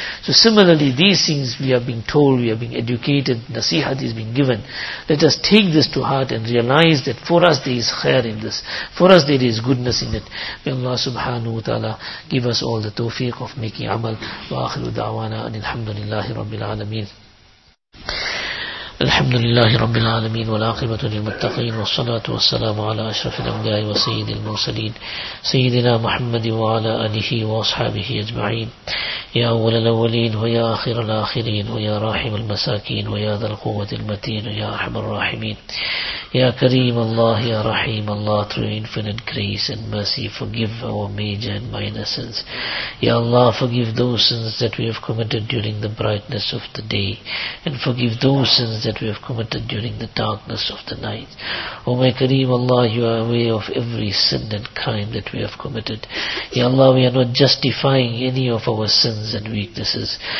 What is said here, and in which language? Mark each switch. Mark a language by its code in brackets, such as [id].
[en] So similarly, these things we are being told, we are being educated, nasihat is being given. Let us take this to heart and realize that for us there is khair in this, for us there is goodness in it. May Allah subhanahu wa ta'ala give us all the tawfiq of making amal. [ar] Wa akhiru da'wana alhamdulillahi rabbil alameen. الحمد لله رب العالمين والعاقبة للمتقين والصلاة والسلام على أشرف الأنبياء وسيد المرسلين سيدنا محمد وعلى آله وأصحابه أجمعين يا أول الأولين ويا آخر الآخرين ويا راحم المساكين ويا ذا القوة المتين ويا أرحم الراحمين يا كريم الله يا رحيم الله [en] through infinite grace and mercy forgive our major and minor sins. يا الله forgive those sins that we have committed during the brightness of the day and forgive those sins that we have committed during the darkness of the night. O my Kareem Allah, you are aware of every sin and crime that we have committed. Ya Allah, we are not justifying any of our sins and weaknesses.